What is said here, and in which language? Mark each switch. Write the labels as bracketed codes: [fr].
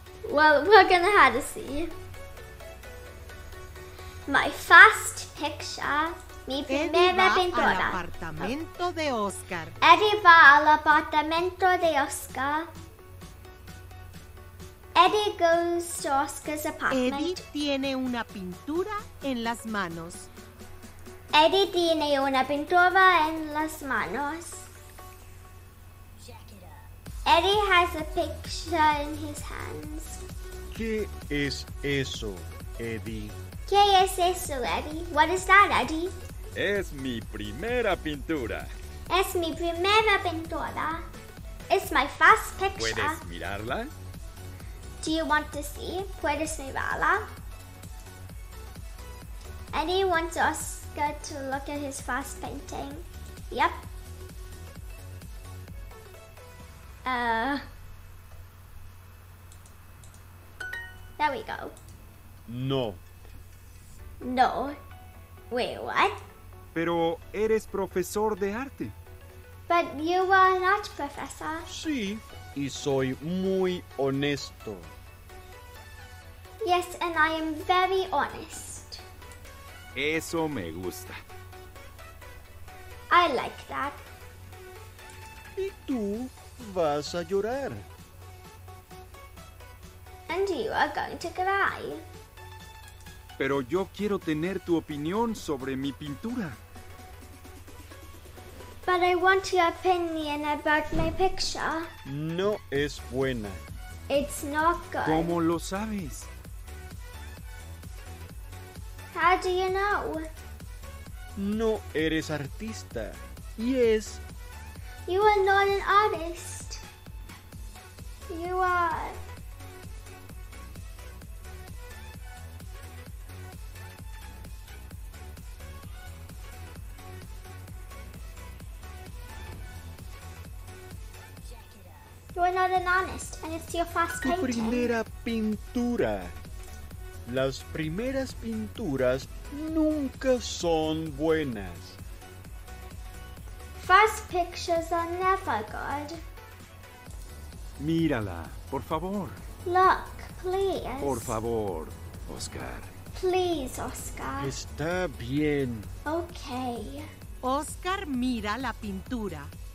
[en] Well, we're gonna have to see. My first picture, [es] mi primera pintura. Eddie va al apartamento de Oscar. Eddie va al apartamento de Oscar. [en] Eddie goes to Oscar's apartment. [es] Eddie tiene una pintura en las manos. Eddie tiene una pintura en las manos. [en] Eddie has a picture in his hands. [es] ¿Qué es eso, Eddie? ¿Qué es eso, Eddie? [en] What is that, Eddie? [es] Es mi primera pintura. Es mi primera pintura. [en] It's my first picture. [es] ¿Puedes mirarla? [en] Do you want to see? [es] ¿Puedes mirarla? [en] Eddie wants Oscar to look at his first painting. Yep. There we go. No. No. Wait, what? [es] Pero eres profesor de arte. [en] But you are not professor. [es] Sí, y soy muy honesto. [en] Yes, and I am very honest. [es] Eso me gusta. [en] I like that. [es] Y tú vas a llorar. [en] And you are going to cry. [es] Pero yo quiero tener tu opinión sobre mi pintura. [en] But I want your opinion about my picture. [es] No es buena. [en] It's not good. [es] ¿Cómo lo sabes? [en] How do you know? [es] No eres artista. Yes. [en] You are not an artist. You are. You are not an artist, and it's your first painting. [es] Tu primera pintura. Las primeras pinturas nunca son buenas. [en] First pictures are never good. [es] Mírala, por favor. [en] Look, please. [es] Por favor, Oscar. [en] Please, Oscar. [es] Está bien. [en] Okay. [es] Oscar, mira la pintura.